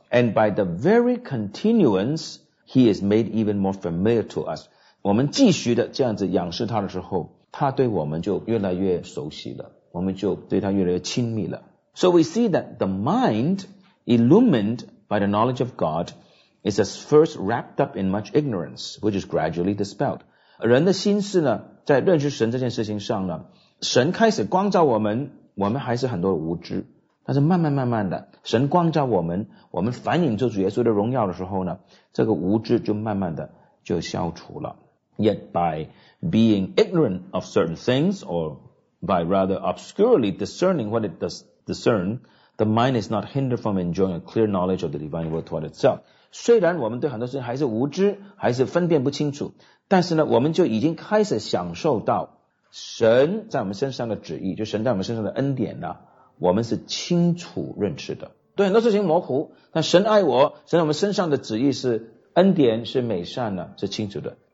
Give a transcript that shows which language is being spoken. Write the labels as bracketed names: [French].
[English] And by the very continuance He is made even more familiar to us。 [Chinese] 我们继续的这样子仰视他的时候，他对我们就越来越熟悉了，我们就对他越来越亲密了。 [English] So we see that the mind illumined by the knowledge of God is at first wrapped up in much ignorance which is gradually dispelled。 [Chinese] 人的心思呢，在认识神这件事情上呢，神开始光照我们，我们还是很多无知，但是慢慢慢慢的神光照我们，我们反映出主耶稣的荣耀的时候呢，这个无知就慢慢的就消除了。 [English] Yet by being ignorant of certain things or by rather obscurely discerning what it does discern the mind is not hindered from enjoying a clear knowledge of the divine world toward itself。 [Chinese] 虽然我们对很多事情还是无知，还是分辨不清楚，但是呢我们就已经开始享受到神在我们身上的旨意，就神在我们身上的恩典呢，我们是清楚认识的。对，很多事情模糊，但神爱我，神在我们身上的旨意是恩典，是美善的，是清楚的。